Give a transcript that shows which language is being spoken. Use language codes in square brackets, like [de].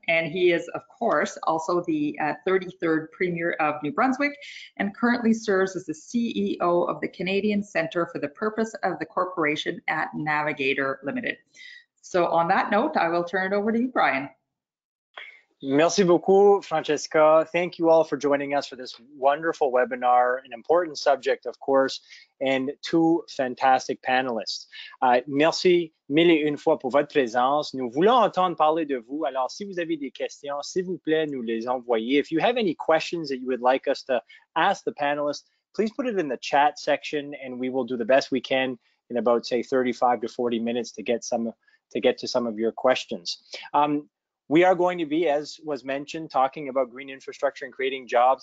[en] And he is, of course, also the 33rd Premier of New Brunswick and currently serves as the CEO of the Canadian Center for the Purpose of the Corporation at Navigator Limited. So on that note, I will turn it over to you, Brian. [fr] Merci beaucoup, Francesca. [en] Thank you all for joining us for this wonderful webinar, an important subject, of course, and two fantastic panelists. [fr] Merci mille et une fois pour votre présence. Nous voulons entendre parler de vous. Alors, si vous avez des questions, s'il vous plaît, nous les envoyez. [en] If you have any questions that you would like us to ask the panelists, please put it in the chat section and we will do the best we can in about, say, 35 to 40 minutes to get to some of your questions. We are going to be, as was mentioned, talking about green infrastructure and creating jobs.